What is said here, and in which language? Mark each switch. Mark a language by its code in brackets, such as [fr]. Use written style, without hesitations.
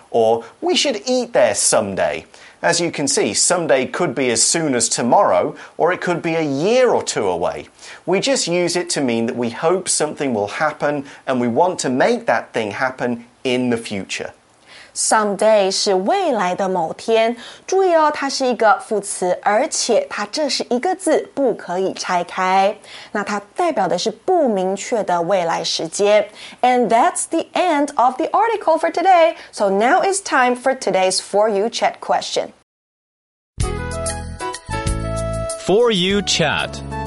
[en] Or we should eat there someday. As you can see, someday could be as soon as tomorrow, or it could be a year or two away. We just use it to mean that we hope something will happen, and we want to make that thing happen in the future. [zh] Someday 是未来的某天。注意哦，它是一个副词，而且它这是一个字，不可以拆开。那它代表的是不明确的未来时间。 [en] And that's the end of the article for today. So now it's time for today's For You Chat question. For You Chat.